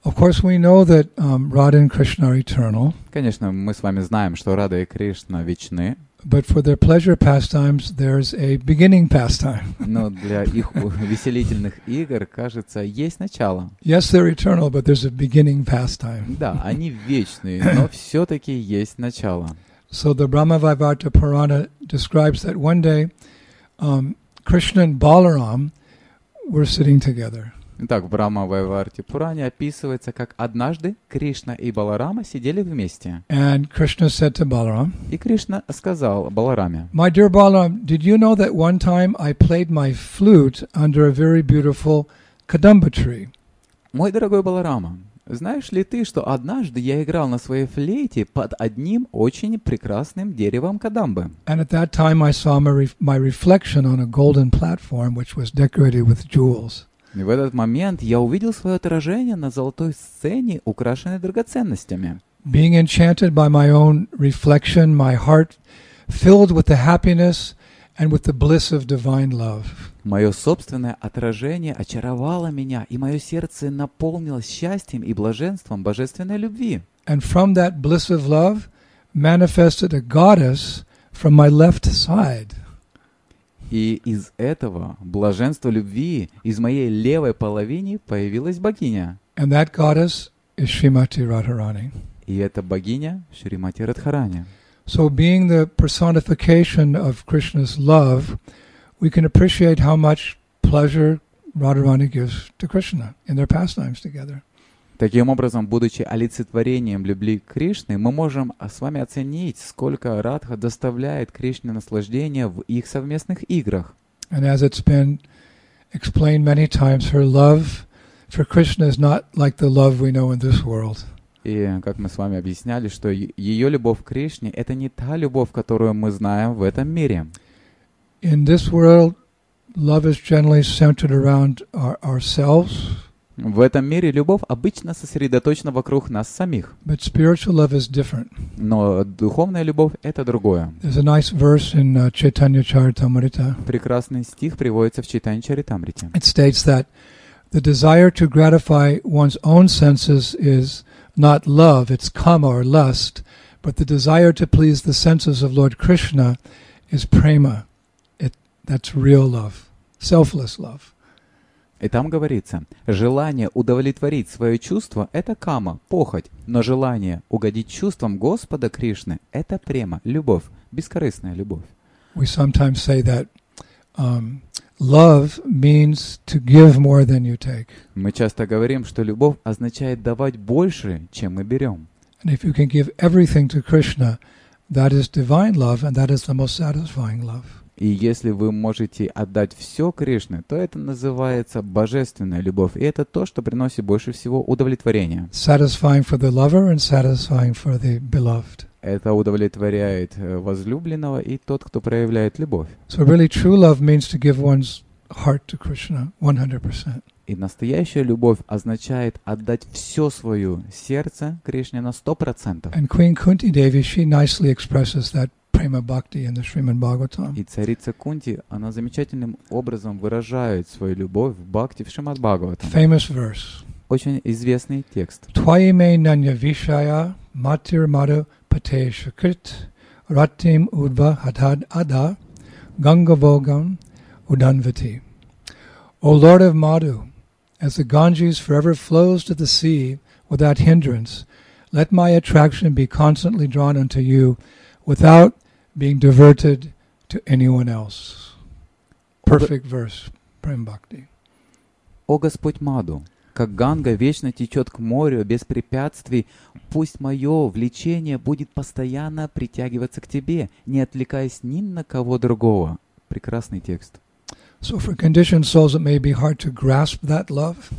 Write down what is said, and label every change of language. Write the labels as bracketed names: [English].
[English] Of course, we know that Radha and Krishna are eternal. [Russian] Конечно, мы с вами знаем, что Рада и Кришна вечны. [English] But for their pleasure pastimes, there's a beginning pastime. [Russian] Но для их веселительных игр, кажется, есть начало. [English] Yes, they're eternal, but there's a beginning pastime. [Russian] Да, они вечные, но все-таки есть начало. [English] So the Brahma Vaivarta Purana describes that one day Krishna and Balaram were sitting together. [Russian] Итак, в Брахма Вайварте Пуране описывается, как однажды Кришна и Баларама сидели вместе. [English] And Krishna said to Balaram. [Russian] И Кришна сказал Балараме. [English] My dear Balaram, did you know that one time I played my flute under a very beautiful kadamba tree? [Russian] Мой дорогой Баларама. Знаешь ли ты, что однажды я играл на своей флейте под одним очень прекрасным деревом кадамбы? [English] And at that time I saw my reflection on a golden platform, which was decorated with jewels. [Russian] И в этот момент я увидел свое отражение на золотой сцене, украшенной драгоценностями. [English] Being enchanted by my own reflection, my heart filled with the happiness and with the bliss of divine love. [Russian] Мое собственное отражение очаровало меня, и мое сердце наполнилось счастьем и блаженством божественной любви. [English] And from that bliss of love manifested a goddess from my left side. [Russian] И из этого блаженства любви из моей левой половины появилась богиня. [English] And that goddess is Srimati Radharani. [Russian] И эта богиня Шримати Радхарани. [English] So being the personification of Krishna's love, we can appreciate how much pleasure Radharani gives to Krishna in their pastimes together. [Russian] Таким образом, будучи олицетворением любви Кришны, мы можем с вами оценить, сколько Радха доставляет Кришне наслаждения в их совместных играх. [English] And as it's been explained many times, her love for Krishna is not like the love we know in this world. [Russian] И как мы с вами объясняли, что ее любовь к Кришне — это не та любовь, которую мы знаем в этом мире. [English] In this world, love is generally centered around ourselves. [Russian] В этом мире любовь обычно сосредоточена вокруг нас самих. [English] But spiritual love is different. [Russian] Но духовная любовь — это другое. [English] There's a nice verse in Chaitanya Charitamrita. [Russian] Прекрасный стих приводится в Чайтанья Чаритамрите. [English] It states that the desire to gratify one's own senses is not love, it's kama or lust, but the desire to please the senses of Lord Krishna is prema. That's real love, selfless love. [Russian] И там говорится, желание удовлетворить свое чувство – это кама, похоть, но желание угодить чувствам Господа Кришны – это према, любовь, бескорыстная любовь. [English] We sometimes say that love means to give more than you take. [Russian] Мы часто говорим, что любовь означает давать больше, чем мы берем. [English] And if you can give everything to Krishna, that is divine love, and that is the most satisfying love. [Russian] И если вы можете отдать все Кришне, то это называется божественная любовь, и это то, что приносит больше всего удовлетворения. [English] Satisfying for the lover and satisfying for the beloved. [Russian] Это удовлетворяет возлюбленного и тот, кто проявляет любовь. [English] So really true love means to give one's heart to Krishna 100%. [Russian] И настоящая любовь означает отдать все свое сердце Кришне на 100%. [English] And Queen Kunti Devi, she nicely expresses that prema bhakti in the Srimad Bhagavatam. [Russian] И царица Кунти, она замечательным образом выражает свою любовь в бхакти в Шримад Бхагаватам. [English] Famous verse. [Russian] Очень известный текст. [Sanskrit] Твои ме нанья вишая матир мару пате шакрит ратим удва хатад ада ганга богам уданвати. [English] O Lord of Madhu, as the Ganges forever flows to the sea without hindrance, let my attraction be constantly drawn unto you without being diverted to anyone else. Perfect verse, Prem Bhakti. [Russian] O Господь Madhu, как Ганга вечно течет к морю без препятствий, пусть мое влечение будет постоянно притягиваться к тебе, не отвлекаясь ни на кого другого. Прекрасный текст. [English] So for conditioned souls, it may be hard to grasp that love.